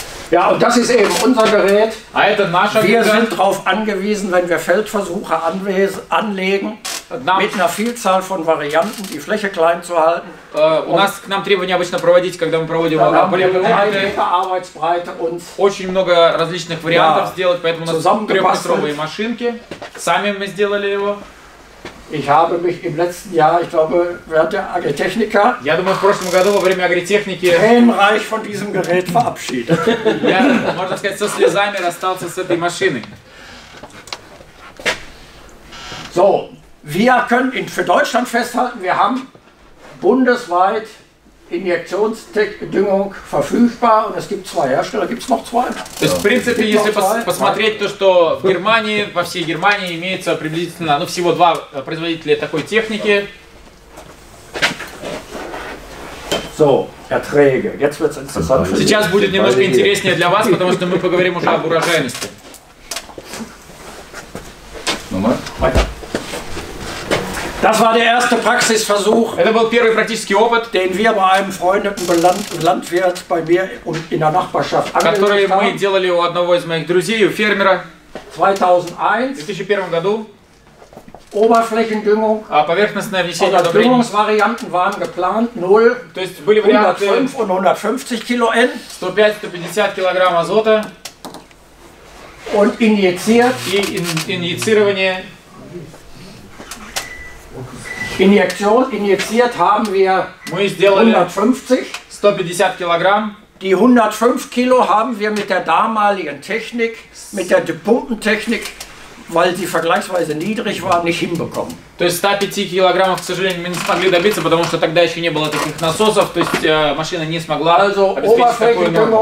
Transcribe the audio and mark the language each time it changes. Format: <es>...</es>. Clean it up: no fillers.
<de>Ja, und das ist eben unser Gerät.</de> <ru>А это наше</ru> <de>Gerät. Wir sind darauf angewiesen, wenn wir Feldversuche anlegen. Mit einer Vielzahl von Varianten, die Fläche klein zu halten.</de> <ru>У нас к нам требования обычно проводить, когда мы проводим полевые. Очень много различных вариантов сделать, поэтому у нас трехметровые машинки. Сами мы сделали его.</ru> <de>Ich habe mich im letzten Jahr, ich glaube, während der Agritechnica.</de> <ru>Я думаю, в прошлом году во время Агритехники.</ru> <de>Tränenreich von diesem Gerät verabschiedet.</de> <ru>Я, можно сказать, со слезами расстался с этой машиной.</ru> <de>So. Wir können in, für Deutschland festhalten, wir haben bundesweit Injektionsdüngung verfügbar und es gibt zwei Hersteller, gibt es noch zwei?</de> <ru>То есть, в принципе, если посмотреть то, что в Германии, во всей Германии имеется приблизительно, ну, всего два производителя такой техники.</ru> <de>So, Erträge. Jetzt wird's interessant.</de> <ru>Сейчас будет немножко интереснее для вас, потому что мы поговорим уже об урожайности.</ru> <de>Das war der erste Praxisversuch.</de> <ru>Это был первый практический опыт,</ru> <de>den wir bei einem befreundeten Landwirt bei mir und in der Nachbarschaft angelegt haben.</de> <ru>Который мы делали у одного из моих друзей, у фермера. 2001 году</ru> <de>Oberflächendüngung,</de> <ru>поверхностное внесение</ru> <de>oder</de> <ru>одобрений.</ru> <de>Düngungsvarianten waren geplant 0,</de> <ru>то есть были 105</ru> <de>und 150 kilo N,</de> <ru>105-150 kg азота</ru> <de>und injiziert,</de> <ru>инъецирование.</ru> <de>Injektion, injiziert haben wir 150 kg. Die 105 Kilo haben wir mit der damaligen Technik, mit der Pumpentechnik, weil sie vergleichsweise niedrig war, nicht hinbekommen.</de> <ru>То есть 105 килограммов, к сожалению, мы не смогли добиться, потому что тогда еще не было таких насосов, то есть машина не смогла</ru> <de>also</de> <ru>обеспечить такую</ru>